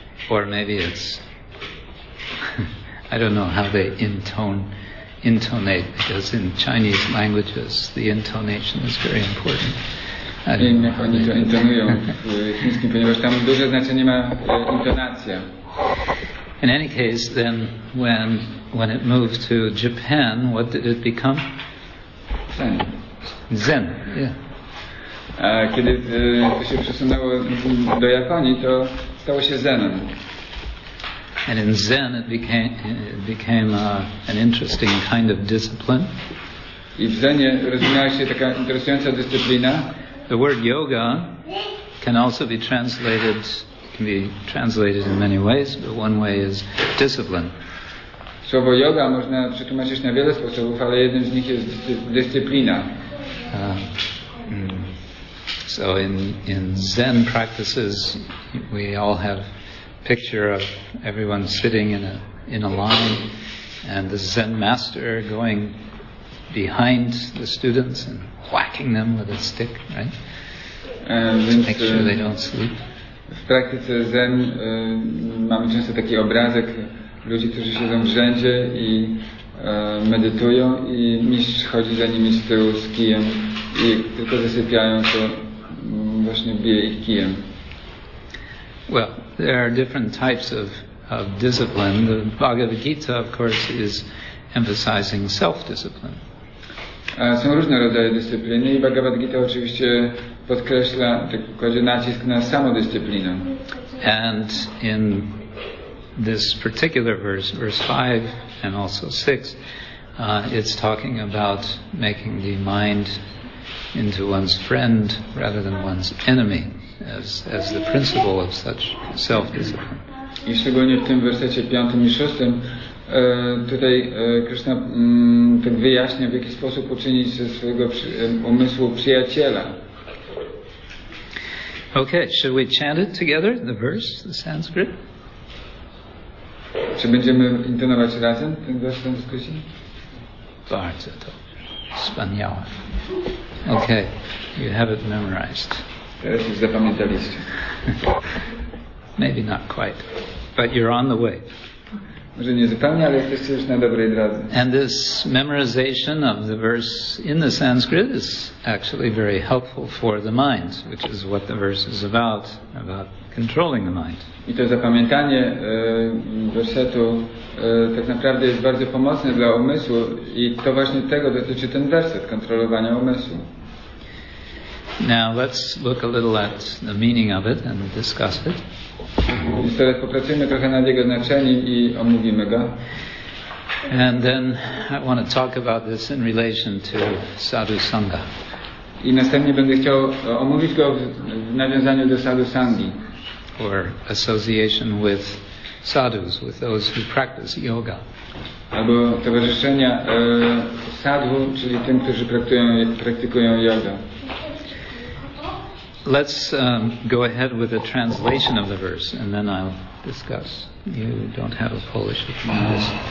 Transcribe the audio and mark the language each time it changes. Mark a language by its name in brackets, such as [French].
[English] Or maybe it's I don't know how they intonate, because in Chinese languages the intonation is very important. [Polish] Wiem, jak oni to intonują w chińskim, ponieważ tam duże znaczenie ma intonacja. [English] In any case, then when it moved to Japan, what did it become? Zen. Zen. Yeah. [Polish] A kiedy to się przesunęło do Japonii, to stało się Zenem. [English] And in Zen, it became an interesting kind of discipline. [Polish] I w Zenie rozwinęła się taka interesująca dyscyplina. [English] The word yoga can also be translated. Can be translated in many ways, but one way is discipline. [Polish] Słowo yoga można przetłumaczyć na wiele sposobów, ale jeden z nich jest dyscyplina. [English] So in Zen practices, we all have picture of everyone sitting in a line, and the Zen master going behind the students and whacking them with a stick, right? Make sure they don't sleep. [Polish] W praktyce Zen mamy często taki obrazek ludzi, którzy siedzą w rzędzie i medytują, i mistrz chodzi za nimi z tyłu z kijem, i jak tylko zasypiają, to właśnie bije ich kijem. [English] Well, there are different types of discipline. The Bhagavad Gita, of course, is emphasizing self-discipline. [Polish] Są różne rodzaje dyscypliny, i Bhagavad Gita oczywiście podkreśla, kładzie nacisk na samodyscyplinę. [English] And in this particular verse, verse 5 and also 6, it's talking about making the mind into one's friend rather than one's enemy as the principle of such self-discipline. [Polish] I szczególnie w tym wersecie 5 i 6 tutaj Krishna tak wyjaśnia, w jaki sposób uczynić ze swojego umysłu przyjaciela. [English] Okay, should we chant it together, the verse, the Sanskrit? [Polish] Czy będziemy intonować razem ten wers w sanskrycie? Bardzo to wspaniałe. [English] Okay, you have it memorized. [Polish] Teraz już zapamiętaliście. [English] Maybe not quite, but you're on the way. [Polish] Może nie zupełnie, ale jesteście już na dobrej drodze. [English] And this memorization of the verse in the Sanskrit is actually very helpful for the mind, which is what the verse is about controlling the mind. [Polish] I to zapamiętanie wersetu tak naprawdę jest bardzo pomocne dla umysłu, i to właśnie tego dotyczy ten werset, kontrolowania umysłu. [English] Now let's look a little at the meaning of it and discuss it. [Polish] teraz popracujemy trochę nad jego znaczeniem i omówimy go. [English] And then I want to talk about this in relation to sadhu sangha. [Polish] I następnie będę chciał omówić go w nawiązaniu do sadhu sangi. [English] Or association with sadhus, with those who practice yoga. [Polish] Albo towarzyszenia sadhu, czyli tym, którzy praktykują jogę. [English] Let's go ahead with a translation of the verse, and then I'll discuss. You don't have a Polish version.